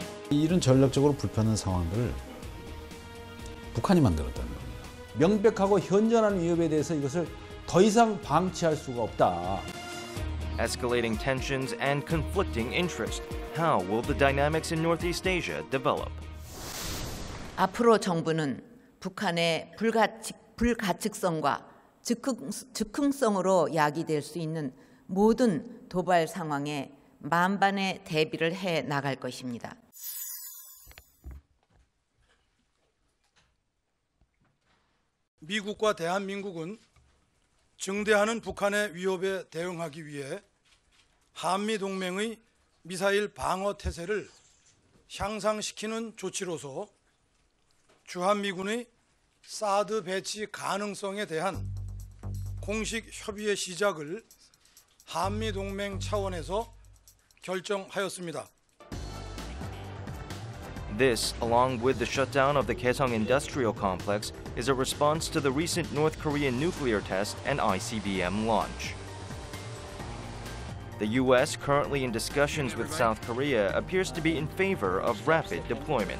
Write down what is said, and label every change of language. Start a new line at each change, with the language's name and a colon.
Korean: 이런 전략적으로 불편한 상황들을 북한이 만들었다는 겁니다. 명백하고 현저한 위협에 대해서 이것을 더 이상 방치할 수가 없다.
English: Escalating tensions and conflicting interests. How will the dynamics in Northeast Asia develop?
Korean: 앞으로 정부는 북한의 불가측성과 즉흥성으로 야기될 수 있는 모든 도발 상황에 만반의 대비를 해 나갈 것입니다. 미국과 대한민국은 증대하는 북한의 위협에 대응하기 위해 한미동맹의 미사일 방어 태세를 향상시키는 조치로서 주한미군의 사드 배치 가능성에 대한 공식 협의의 시작을 한미동맹 차원에서 결정하였습니다.
English: This, along with the shutdown of the Kaesong Industrial Complex, is a response to the recent North Korean nuclear test and ICBM launch. The U.S., currently in discussions with South Korea, appears to be in favor of rapid deployment.